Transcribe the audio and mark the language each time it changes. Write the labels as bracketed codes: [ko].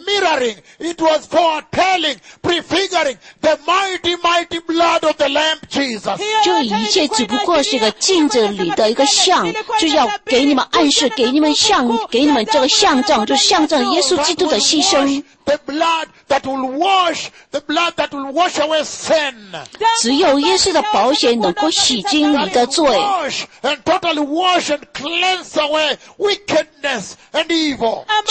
[en] It was foretelling, prefiguring the mighty, mighty blood of the Lamb Jesus. [zh] 这一切只不过是个镜子里的一个像， 就要给你们暗示， 给你们像， 给你们这个象征， 就象征耶稣基督的牺牲。 [en] The blood that will wash away sin. [zh] 只有耶稣的宝血能够洗净你的罪， [en] and totally wash and cleanse away wickedness and evil.